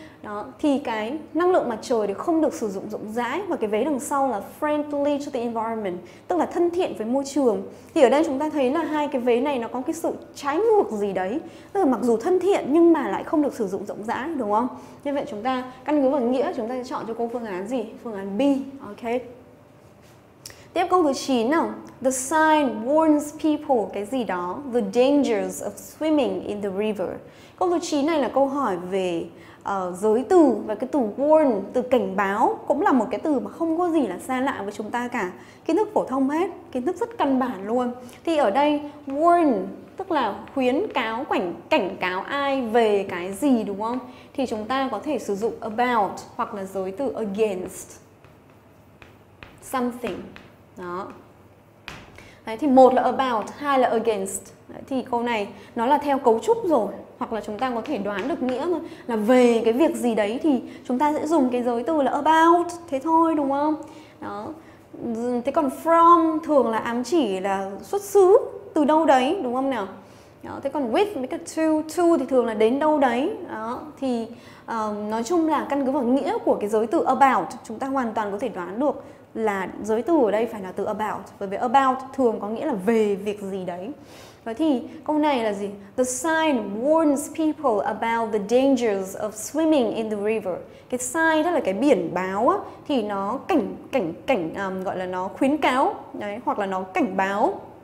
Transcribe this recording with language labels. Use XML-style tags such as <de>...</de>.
<vi>Đó, thì cái năng lượng mặt trời thì không được sử dụng rộng rãi, và cái vế đằng sau là</vi> <en>friendly to the environment,</en> <vi>tức là thân thiện với môi trường. Thì ở đây chúng ta thấy là hai cái vế này nó có cái sự trái ngược gì đấy, tức là mặc dù thân thiện nhưng mà lại không được sử dụng rộng rãi, đúng không? Như vậy chúng ta căn cứ vào nghĩa chúng ta sẽ chọn cho cô phương án gì? Phương án B. Ok, tiếp câu thứ 9 nào.</vi> <en>The sign warns people</en> <vi>cái gì đó,</vi> <en>the dangers of swimming in the river.</en> <vi>Câu thứ 9 này là câu hỏi về giới từ, và cái từ warn, từ cảnh báo, cũng là một cái từ mà không có gì là xa lạ với chúng ta cả. Kiến thức phổ thông hết, kiến thức rất căn bản luôn. Thì ở đây warn tức là khuyến cáo, cảnh cáo ai về cái gì, đúng không? Thì chúng ta có thể sử dụng about hoặc là giới từ against something. Đó. Đấy, thì một là about, hai là against. Đấy, thì câu này nó là theo cấu trúc rồi. Hoặc là chúng ta có thể đoán được nghĩa thôi, là về cái việc gì đấy thì chúng ta sẽ dùng cái giới từ là about, thế thôi, đúng không? Đó. Thế còn from thường là ám chỉ là xuất xứ, từ đâu đấy, đúng không nào? Đó. Thế còn with với cả to, to thì thường là đến đâu đấy. Đó. Thì nói chung là căn cứ vào nghĩa của cái giới từ about, chúng ta hoàn toàn có thể đoán được là giới từ ở đây phải là từ about. Bởi vì about thường có nghĩa là về việc gì đấy. Vậy thì câu này là gì?</vi> <en>The sign warns people about the dangers of swimming in the river.</en> <vi>Cái sign đó là cái biển báo á, thì nó gọi là nó khuyến cáo đấy, hoặc là nó cảnh báo.</vi>